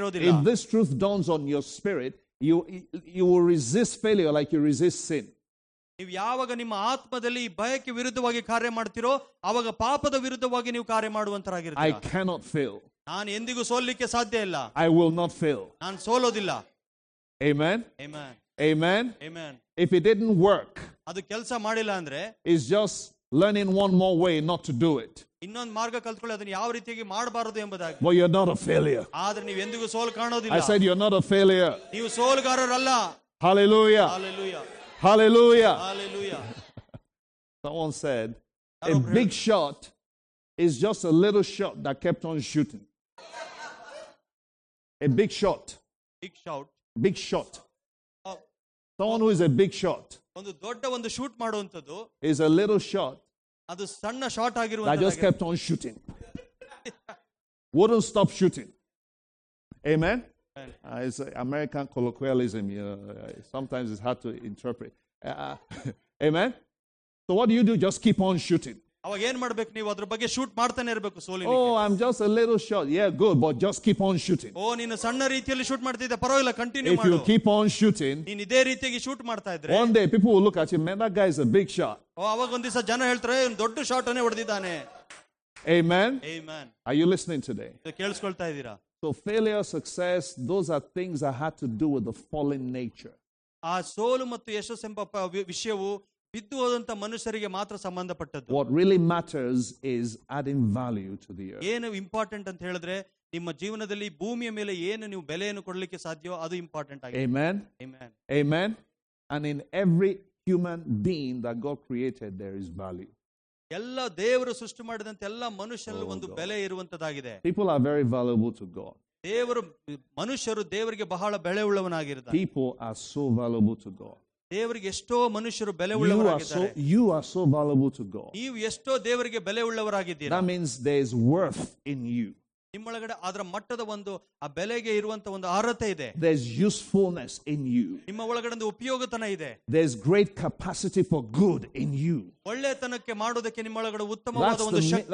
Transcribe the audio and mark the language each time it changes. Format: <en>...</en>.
<en>If this truth dawns on your spirit, you will resist failure like you resist sin.</en> <kn>ನೀವು ಯಾವಾಗ ನಿಮ್ಮ ಆತ್ಮದಲ್ಲಿ ಈ ಭಯಕ್ಕೆ ವಿರುದ್ಧವಾಗಿ ಕಾರ್ಯ ಮಾಡ್ತಿರೋ ಅವಾಗ ಪಾಪದ ವಿರುದ್ಧವಾಗಿ ನೀವು ಕಾರ್ಯ ಮಾಡುವಂತರಾಗಿರುತ್ತೆ.</kn> <en>I cannot fail.</en> <kn>ನಾನು ಎಂದಿಗೂ ಸೋಲಲಿಕ್ಕೆ ಸಾಧ್ಯ ಇಲ್ಲ.</kn> <en>I will not fail.</en> <kn>ನಾನು ಸೋಲೋದಿಲ್ಲ.</kn> <en>Amen. Amen. Amen. Amen. If it didn't work,</en> <kn>ಅದು ಕೆಲಸ ಮಾಡಿಲ್ಲ ಅಂದ್ರೆ</kn> <en>is just learning one more way not to do it.</en> <kn>ಇನ್ನೊಂದು ಮಾರ್ಗ ಕಲ್ತ್ಕೊಳ್ಳಿ ಅದನ್ನು ಯಾವ ರೀತಿಯಾಗಿ ಮಾಡಬಾರದು ಎಂಬುದಾಗಿ.</kn> <en>Well, you're not a failure.</en> <kn>ಆದ್ರೆ ನೀವು ಎಂದಿಗೂ ಸೋಲು ಕಾಣೋದಿಲ್ಲ.</kn> <en>I said you're not a failure.</en> <kn>ನೀವು ಸೋಲುಗಾರರಲ್ಲ.</kn> <en>Hallelujah. Hallelujah. Hallelujah. Hallelujah. Someone said, a big shot is just a little shot that kept on shooting. A big shot. Big shot. Big shot. Someone who is a big shot.</en> <kn>ಒಂದು ದೊಡ್ಡ ಒಂದು shoot ಮಾಡುವಂಥದ್ದು.</kn> <en>Is a little shot.</en> <kn>ಅದು ಸಣ್ಣ shot ಆಗಿರುವ.</kn> <en>That just kept on shooting. Wouldn't stop shooting. Amen. It's an American colloquialism. You know, sometimes it's hard to interpret. Amen. So what do you do? Just keep on shooting.</en> <kn>ಅವಾಗ ಏನ್ ಮಾಡ್ಬೇಕು ನೀವು ಅದ್ರ ಬಗ್ಗೆ shoot ಮಾಡ್ತಾನೆ ಇರಬೇಕು ಸೋಲಿಗೆ.</kn> <en>Oh, I'm just a little shot. Yeah, good, but just keep on shooting.</en> <kn>ಓ ನೀನು ಸಣ್ಣ ರೀತಿಯಲ್ಲಿ ಶೂಟ್ ಮಾಡ್ತಿದ್ದೆ ಪರವಾಗಿಲ್ಲ ಕಂಟಿನ್ಯೂ ಮಾಡು.</kn> <en>If you keep on shooting,</en> <kn>ನೀನು ಇದೇ ರೀತಿಯಾಗಿ ಶೂಟ್ ಮಾಡ್ತಾ ಇದ್ರೆ</kn> <en>one day people will look at you, man, that guy is a big shot.</en> <kn>ಓ ಅವಾಗ ಒಂದಿವಸ ಜನ ಹೇಳ್ತಾರೆ ಇವನು ದೊಡ್ಡ ಶಾಟ್ ಅನ್ನೇ ಹೊಡೆದಿದ್ದಾನೆ.</kn> <en>Amen. Amen. Are you listening today?</en> <kn>ಕೇಳಿಸ್ಕೊಳ್ತಾ ಇದ್ದೀರಾ?</kn> <en>So failure, success, those are things that had to do with the fallen nature.</en> <kn>ಆ ಸೋಲು ಮತ್ತು ಯಶಸ್ಸು ಎಂಬ ವಿಷಯವು ಬಿದ್ದು ಹೋದಂತ ಮನುಷ್ಯರಿಗೆ ಮಾತ್ರ ಸಂಬಂಧಪಟ್ಟದ್ದು.</kn> <en>What really matters is adding value to the earth.</en> <kn>ಏನು ಇಂಪಾರ್ಟೆಂಟ್ ಅಂತ ಹೇಳಿದ್ರೆ ನಿಮ್ಮ ಜೀವನದಲ್ಲಿ ಭೂಮಿಯ ಮೇಲೆ ಏನು ನೀವು ಬೆಲೆಯನ್ನು ಕೊಡಲಿಕ್ಕೆ ಸಾಧ್ಯವೋ ಅದು ಇಂಪಾರ್ಟೆಂಟ್ ಆಗಿದೆ.</kn> <en>Amen. Amen. Amen. And in every human being that God created, there is value.</en> <kn>ಎಲ್ಲ ದೇವರು ಸೃಷ್ಟಿ ಮಾಡಿದಂತ ಎಲ್ಲ ಮನುಷ್ಯನಲ್ಲೂ ಒಂದು ಬೆಲೆ ಇರುವಂತದ್ದಾಗಿದೆ.</kn> <en>People are very valuable to God.</en> <kn>ದೇವರು ಮನುಷ್ಯರು ದೇವರಿಗೆ ಬಹಳ ಬೆಲೆ ಉಳ್ಳವನಾಗಿರುತ್ತಾರೆ.</kn> <en>People are so valuable to God.</en> <kn>ದೇವರಿಗೆ ಎಷ್ಟೋ ಮನುಷ್ಯರು ಬೆಲೆ ಉಳ್ಳವರಾಗಿದ್ದಾರೆ.</kn> <en>You are so valuable to God.</en> <kn>ನೀವು ಎಷ್ಟೋ ದೇವರಿಗೆ ಬೆಲೆ ಉಳ್ಳವರಾಗಿದ್ದೀರಿ.</kn> <en>That means there is worth in you.</en> <kn>ನಿಮ್ಮೊಳಗಡೆ ಅದರ ಮಟ್ಟದ ಒಂದು ಆ ಬೆಲೆಗೆ ಇರುವಂತ ಒಂದು ಅರ್ಹತೆ ಇದೆ.</kn> <en>There is usefulness in you.</en> <kn>ನಿಮ್ಮ ಒಳಗಡೆ ಒಂದು ಉಪಯೋಗತನ ಇದೆ.</kn> <en>There is great capacity for good in you.</en> <kn>ಒಳ್ಳೆತನಕ್ಕೆ ಮಾಡೋದಕ್ಕೆ ನಿಮ್ಮೊಳಗಡೆ ಉತ್ತಮವಾದ ಒಂದು ಶಕ್ತಿ ಇದೆ.</kn>